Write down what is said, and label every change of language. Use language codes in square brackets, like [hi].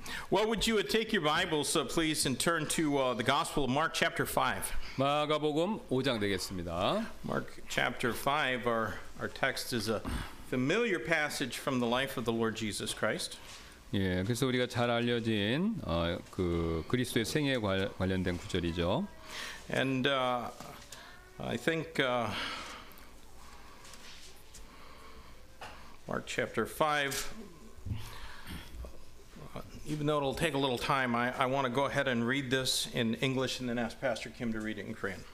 [en] Well, would you take your Bibles, please, and turn to the Gospel of Mark, chapter 5. [ko] 마가복음 5장 되겠습니다. [en] Mark chapter 5. Our text is a familiar passage from the life of the Lord Jesus Christ. [ko] 예, 그래서 우리가 잘 알려진 그 그리스도의 생애에 관련된 구절이죠. [en] And I think Mark chapter 5, even though it'll take a little time, I want to go ahead and read this in English and then ask Pastor Kim to read it in Korean.